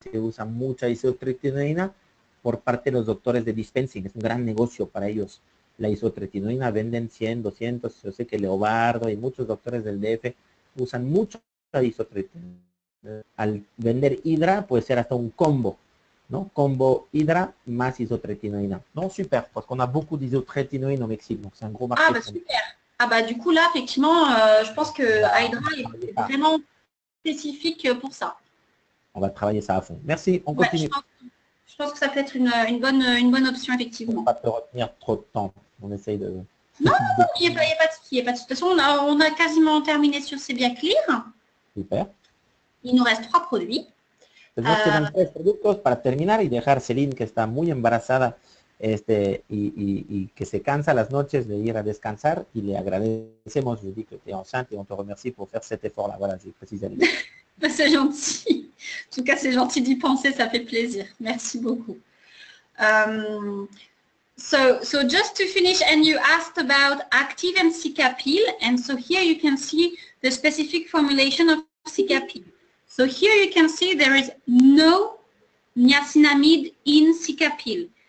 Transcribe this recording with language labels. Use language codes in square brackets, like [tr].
[es] Se usa mucha isotretinoína por parte de los doctores de dispensing. Es un gran negocio para ellos. La isotretinoína venden 100, 200. Yo sé que Leobardo y muchos doctores del DF usan mucho la isotretinoína. Al vender Hydra puede ser hasta un combo, ¿no? Combo Hydra más isotretinoína. [fr] No, super, parce qu'on a beaucoup d'isotretinoína en México. C'est un gros marché. Ah, bah, super. Ah, bah, du coup, là, effectivement, je pense que Hydra est vraiment spécifique pour ça. On va travailler ça à fond. Merci, on continue. Je pense que ça peut être une bonne option, effectivement. On ne va pas te retenir trop de temps. On essaye de Non, il n'y a pas de souci. De toute façon, on a quasiment terminé sur C'est bien clair. Super. Il nous reste trois produits. [es] Pues nos quedan tres productos para terminar y dejar Celine, que está muy embarazada, y que se cansa las noches de ir a descansar, y le agradecemos, [fr] je dis que tu es enceinte, y on te remercie pour faire cet effort-là. Voilà, j'ai précisé l'idée. Ben, c'est gentil. En tout cas, c'est gentil d'y penser, ça fait plaisir. Merci beaucoup. [en] So just to finish, and you asked about Active and Cicapil, and so here you can see the specific formulation of Cicapil. So here you can see there is no niacinamide in Cicapil.